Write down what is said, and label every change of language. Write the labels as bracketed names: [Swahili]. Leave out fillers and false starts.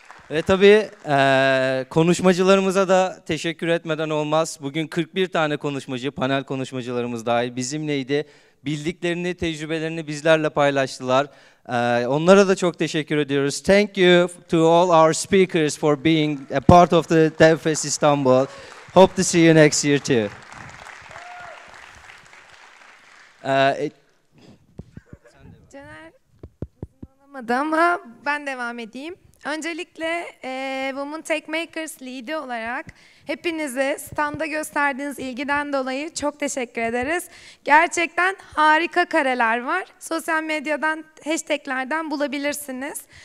[Turkish] Ve tabii konuşmacılarımıza da teşekkür etmeden olmaz. Bugün 41 tane konuşmacı, panel konuşmacılarımız dahil bizimleydi. Bildiklerini, tecrübelerini bizlerle paylaştılar. Onlara da çok teşekkür ediyoruz. [English] Thank you to all our speakers for being a part of the DevFest Istanbul. Hope to see you next year too. [Turkish] Caner, ama ben devam edeyim. Öncelikle Women Techmakers Lead'i olarak hepinize standa gösterdiğiniz ilgiden dolayı çok teşekkür ederiz. Gerçekten harika kareler var. Sosyal medyadan, hashtaglerden bulabilirsiniz.